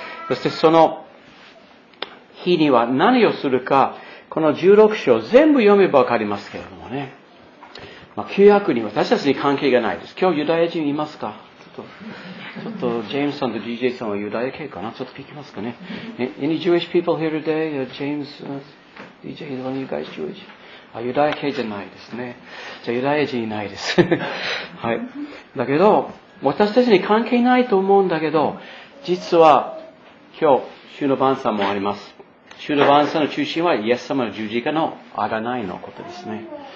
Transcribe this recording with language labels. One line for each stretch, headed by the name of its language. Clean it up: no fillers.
Japanese: そしてその日には何をするか、この16章全部読めばわかりますけれどもね。まあ、旧約に私たちに関係がないです。今日ユダヤ人いますか？ちょっとジェームスさんと DJ さんはユダヤ系かな、ちょっと聞きますかね。
English: Any Jewish people here today? James, DJ, are you guys Jewish?
Japanese: あ、ユダヤ系じゃないですね。じゃあユダヤ人いないです。はい。だけど、私たちに関係ないと思うんだけど、実は今日、週の晩餐もあります。主の晩餐の中心はイエス様の十字架のあがないのことですね。